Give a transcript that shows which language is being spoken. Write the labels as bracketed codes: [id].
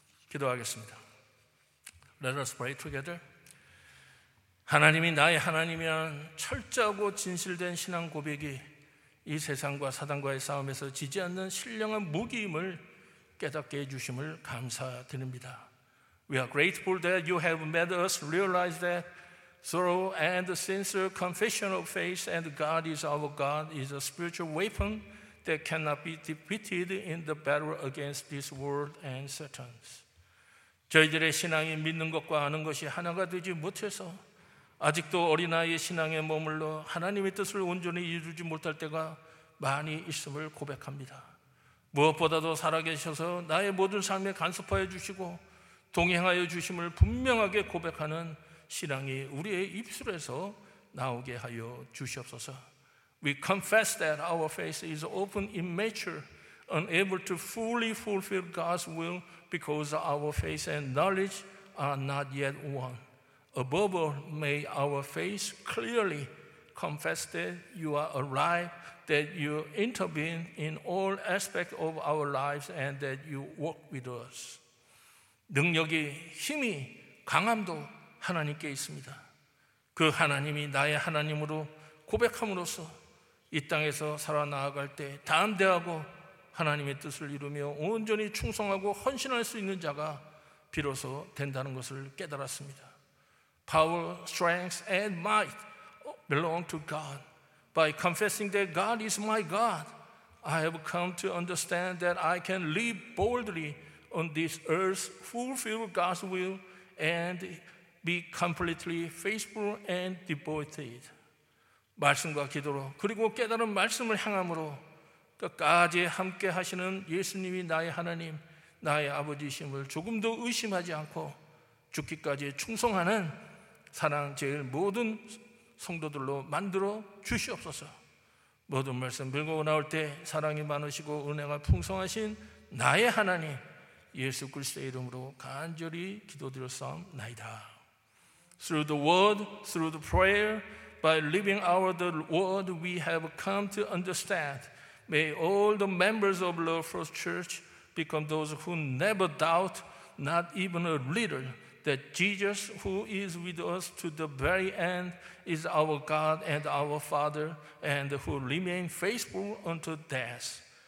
[ko] 기도하겠습니다. [en] Let us pray together. [ko] 하나님이 나의 하나님이란 철저하고 진실된 신앙 고백이 이 세상과 사단과의 싸움에서 지지 않는 신령한 무기임을 깨닫게 해 주심을 감사드립니다. [en] We are grateful that you have made us realize that thorough and sincere confession of faith and God is our God is a spiritual weapon that cannot be defeated in the battle against this world and Satan. [ko] 저희들의 신앙이 믿는 것과 아는 것이 하나가 되지 못해서 아직도 어린아이의 신앙에 머물러 하나님의 뜻을 온전히 이루지 못할 때가 많이 있음을 고백합니다. 무엇보다도 살아계셔서 나의 모든 삶에 간섭하여 주시고 동행하여 주심을 분명하게 고백하는 신앙이 우리의 입술에서 나오게 하여 주시옵소서. [en] We confess that our faith is often immature, unable to fully fulfill God's will because our faith and knowledge are not yet one. Above all, may our faith clearly confess that you are alive, that you intervene in all aspects of our lives, and that you work with us. [ko] 능력이, 힘이, 강함도 하나님께 있습니다. 그 하나님이 나의 하나님으로 고백함으로써 이 땅에서 살아나아갈 때 담대하고 하나님의 뜻을 이루며 온전히 충성하고 헌신할 수 있는 자가 비로소 된다는 것을 깨달았습니다. [en] Power, strength, and might belong to God. By confessing that God is my God, I have come to understand that I can live boldly on this earth, fulfill God's will, and be completely faithful and devoted. [ko] 말씀과 기도로 그리고 깨달은 말씀을 향함으로 끝까지 함께 하시는 예수님이 나의 하나님, 나의 아버지이심을 조금도 의심하지 않고 죽기까지 충성하는 사랑 제일 모든 성도들로 만들어 주시옵소서. 모든 말씀 들고 나올 때 사랑이 많으시고 은혜가 풍성하신 나의 하나님 예수 그리스도의 이름으로 간절히 기도드렸사옵나이다. [en] Through the word, through the prayer, by living out the word, we have come to understand. May all the members of the First Church become those who never doubt, not even a little, that Jesus, who is with us to the very end, is our God and our Father, and who remain faithful unto death.